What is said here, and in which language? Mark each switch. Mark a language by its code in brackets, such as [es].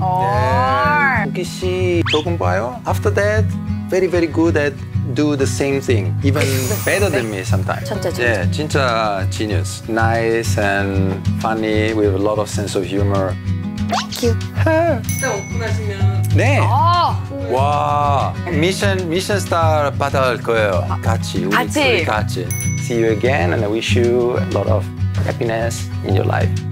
[ko] 네. 혹시 씨 조금 봐요. [en] After that, very, very good at do the same thing, even better than me sometimes. [ko] 천재. 예, 진짜 genius. [en] Nice and funny with a lot of sense of humor. Thank you. [ko] 스타 오픈하시면. 네. 오. 와, 미션 스타 받을 거예요. 같이. 같이. 우리 같이. [en] See you again and I wish you a lot of happiness in your life.